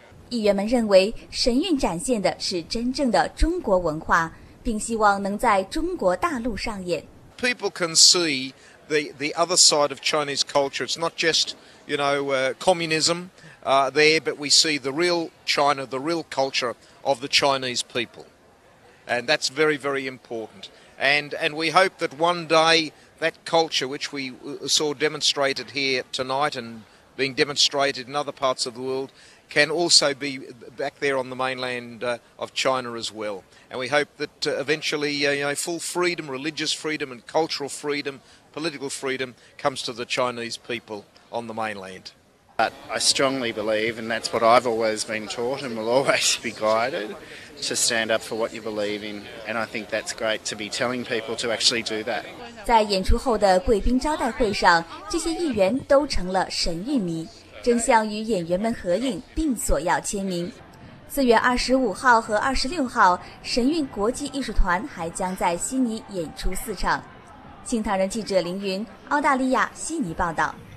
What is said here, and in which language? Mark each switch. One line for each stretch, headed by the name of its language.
Chinese: 议员们认为神韵展现的是真正的中国文化，并希望能在中国大陆上演。
English: People can see the other side of Chinese culture. It's not just, you know, communism there, but we see the real China, the real culture of the Chinese people. And that's very, very important. And we hope that one day that culture, which we saw demonstrated here tonight and being demonstrated in other parts of the world, can also be back there on the mainland of China as well. And we hope that eventually, full freedom, religious freedom and cultural freedom, political freedom comes to the Chinese people on the mainland. But I strongly believe, and that's what I've always been taught and will always be guided, to stand up for what you believe in. And I think that's great to be telling people to actually do that.
Chinese: 在演出后的贵宾招待会上，这些议员都成了神韵迷，争相与演员们合影并索要签名。 4月25号和26号，神韵国际艺术团还将在悉尼演出四场。新唐人记者凌云，澳大利亚悉尼报道。